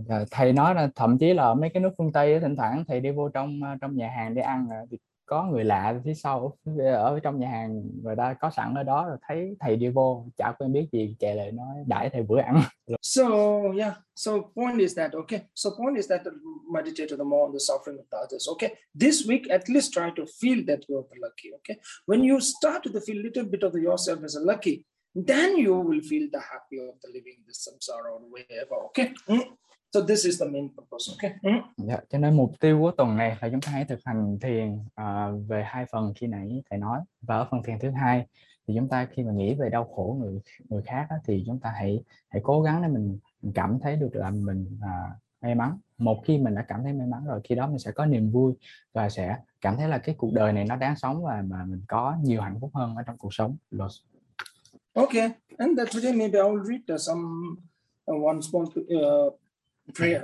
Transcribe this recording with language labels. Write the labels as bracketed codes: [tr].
[vi] Thầy nói là thậm chí là mấy cái nước phương Tây thỉnh thoảng thầy đi vô trong trong nhà hàng để ăn thì có người lạ phía sau ở trong nhà hàng người ta có sẵn ở đó rồi thấy thầy đi vô chả quen biết gì chạy lại nói đãi thầy bữa ăn. [en] So yeah, so point is that okay. So point is that meditate the more on the suffering of others. Okay, this week at least try to feel that you are lucky. Okay, when you start to feel a little bit of yourself as a lucky, then you will feel the happy of the living the samsara or whatever. Okay. So this is the main purpose. Okay. Yeah. [vi] Cho nên mục tiêu của tuần này là chúng ta hãy thực hành thiền về hai phần khi nãy thầy nói, và ở phần thiền thứ hai thì chúng ta khi mà nghĩ về đau khổ người khác đó, thì chúng ta hãy cố gắng để mình cảm thấy được là mình may mắn. Một khi mình đã cảm thấy may mắn rồi, khi đó mình sẽ có niềm vui và sẽ cảm thấy là cái cuộc đời này nó đáng sống và mà mình có nhiều hạnh phúc hơn ở trong cuộc sống. [en] Okay, and that today maybe I will read some one small prayer.